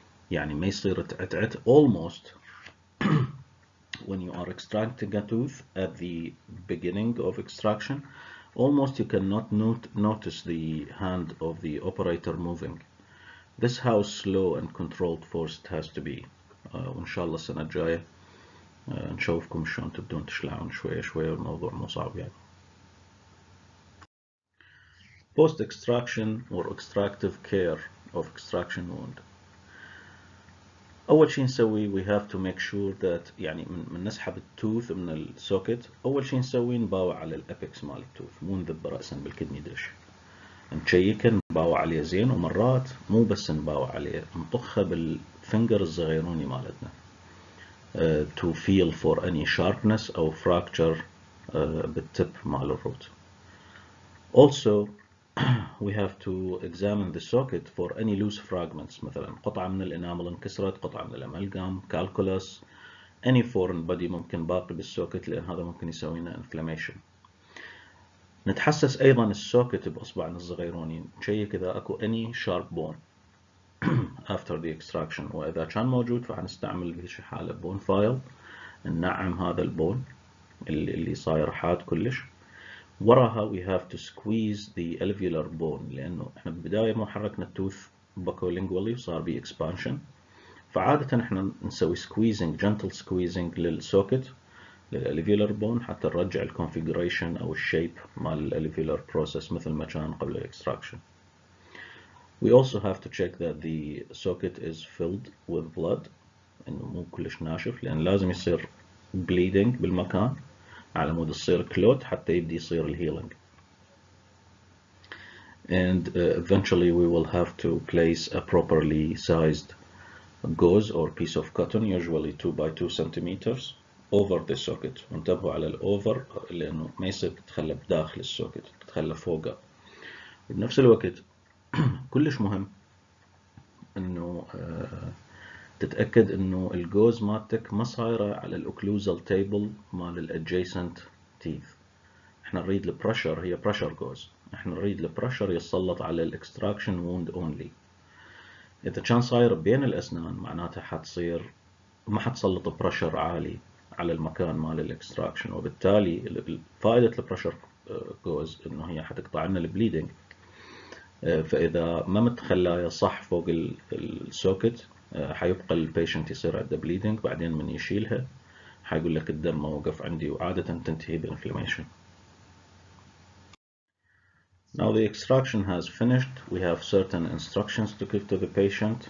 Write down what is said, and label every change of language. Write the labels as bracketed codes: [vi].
[ar] يعني ما يصير تعت [en] almost when you are extracting a tooth at the beginning of extraction, almost you cannot notice the hand of the operator moving. This is how slow and controlled force it has to be. [ar] Inshallah, السنة الجاية نشوفكم شلون تبدون تشلعون شوية شوية الموضوع مو صعب يعني. [en] Post extraction or extractive care of extraction wound. [ar] أول شيء نسوي [en] we have to make sure that [ar] يعني من نسحب التوث من السوكت أول شيء نسوي نباوع على الأبكس مال التوث مو نذب رأسا بالكدني دش نشيك نباوع عليه زين ومرات مو بس نباوع عليه نطخه بالفنجر الصغيروني مالتنا [en] to feel for any sharpness [ar] أو fracture بالتب مال الروت. [en] Also we have to examine the socket for any loose fragments, [ar] مثلا قطعة من الانامل انكسرت, قطعة من الامالجام, [en] calculus, any foreign body [ar] ممكن باقي بالسوكت لان هذا ممكن يسوي لنا [en] inflammation. [ar] نتحسس ايضا السوكت باصبعنا الصغيروني, نشيك اذا اكو [en] any sharp bone after the extraction, [ar] واذا كان موجود فحنستعمل بهيش حالة [en] bone file [ar] ننعم هذا البون اللي صاير حاد كلش. وراها [en] we have to squeeze the alveolar bone [ar] لأنه إحنا بالبداية ما حركنا التوث بكولينجوالي وصار بي expansion. فعادة إحنا نسوي [en] squeezing, gentle squeezing [ar] للسوكت للالفيولر بون حتى نرجع الكونفيجريشن أو الشيب مال الالفيولر بروسس مثل ما كان قبل الاكستراكشن. [en] We also have to check that the socket is filled with blood [ar] إنه مو كلش ناشف لأن لازم يصير bleeding بالمكان على مود يصير كلوت حتى يبدي يصير الهيلينج. [en] And eventually we will have to place a properly sized gauze or piece of cotton, usually 2 by 2 centimeters, over the socket. [ar] انتبهوا على الاوفر لانه ما يصير تتخلى بداخل السوكت، تتخلى فوقه. بنفس الوقت كلش مهم انه تتاكد انه الجوز مالتك ما صايره على الاوكلوزال تيبل مال الادجيسنت تيث. احنا نريد البريشر، هي بريشر جوز، احنا نريد البريشر يتسلط على الاكستراكشن ووند اونلي. اذا كان صاير بين الاسنان معناتها حتصير ما حتسلط بريشر عالي على المكان مال الاكستراكشن، وبالتالي فائده البريشر جوز انه هي حتقطع لنا البليدنج. فاذا ما متخلايا صح فوق السوكت حيبقى البيشنت يصير عنده بليدنج، بعدين من يشيلها حيقول لك الدم ما وقف عندي وعاده تنتهي بالانفلاميشن. [en] Now the extraction has finished. We have certain instructions to give to the patient.